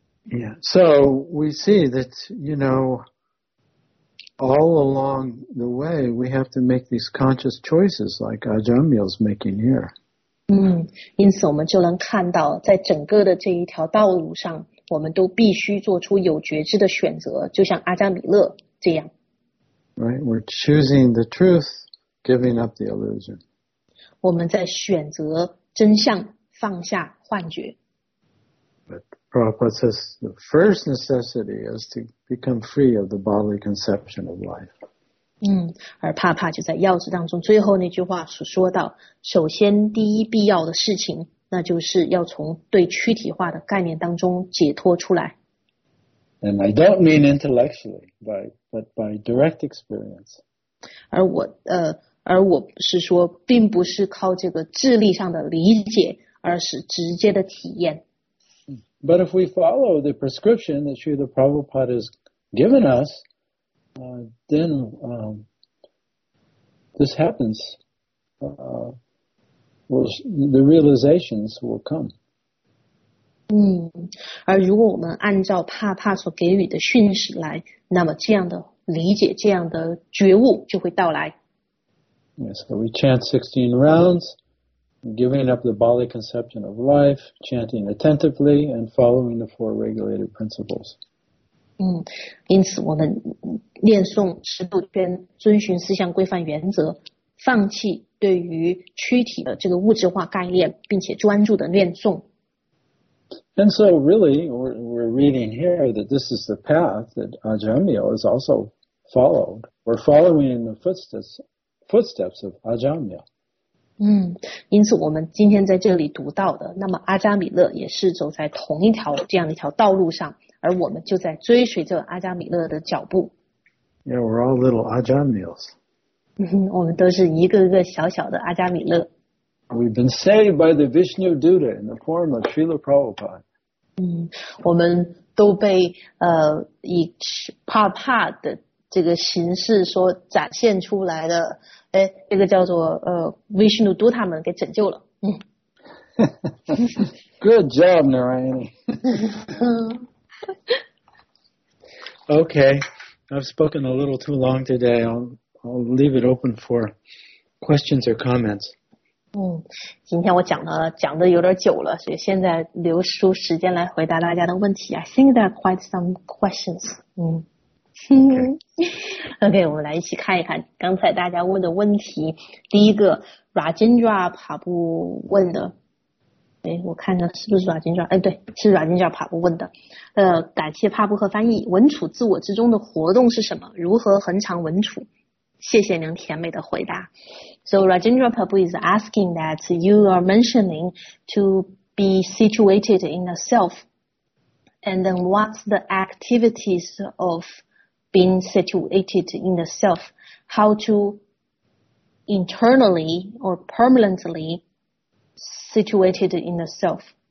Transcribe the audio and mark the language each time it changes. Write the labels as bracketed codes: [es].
[en] Yeah, so we see that, you know, all along the way, we have to make these conscious choices like Ajamil is making here. [zh] 因此我们就能看到在整个的这一条道路上我们都必须做出有觉知的选择，就像阿扎米勒这样。 [en] Right, we're choosing the truth, giving up the illusion. [zh] 我们在选择真相，放下幻觉。 [en] But Prabhupada says the first necessity is to become free of the bodily conception of life. [zh] 而帕帕就在要旨当中最后那句话所说到，首先第一必要的事情，那就是要从对躯体化的概念当中解脱出来。 [en] And I don't mean intellectually, but by direct experience. [zh] 而我是说，并不是靠这个智力上的理解，而是直接的体验。 [en] But if we follow the prescription that Srila Prabhupada has given us,this happens. The realizations will come. [zh] 而如果我们按照帕帕所给予的训示来，那么这样的理解、这样的觉悟就会到来。 [en] Yes, so we chant 16 rounds, giving up the bodily conception of life, chanting attentively, and following the four regulated principles. [zh] 因此我们念诵十六篇，遵循四项规范原则，放弃对于躯体的这个物质化概念，并且专注的念诵。 [en] And so really, we're reading here that this is the path that Ajamil is also followed. We're following in the footsteps of Ajamil. [zh] 因此我们今天在这里读到的，那么阿扎米勒也是走在同一条这样的一条道路上。而我们就在追随着阿扎米勒的脚步。 [en] Yeah, we're all little Ajamils. [zh] 我们都是一个个小小的阿扎米勒。 [en] We've been saved by the Vishnu Duta in the form of Srila Prabhupada. [zh] 我们都被以帕帕的这个形式所展现出来的，这个叫做Vishnu Duta 们给拯救了。 [en] Good job, Narayani. Okay, I've spoken a little too long today. I'll leave it open for questions or comments. [zh] 今天我讲的有点久了，所以现在留出时间来回答大家的问题。 [en] I think there are quite some questions. [zh] Okay, 我们来一起看一看刚才大家问的问题。第一个 Rajendra Prabhu 问的。我看看是不是Rajendra，对，是Rajendra Prabhu问的。感谢帕布和翻译，文处自我之中的活动是什么？如何恒常文处？谢谢您甜美的回答。 [en] So Rajendra Prabhu is asking that you are mentioning to be situated in the self, and then what's the activities of being situated in the self, how to internally or permanently situated in the self?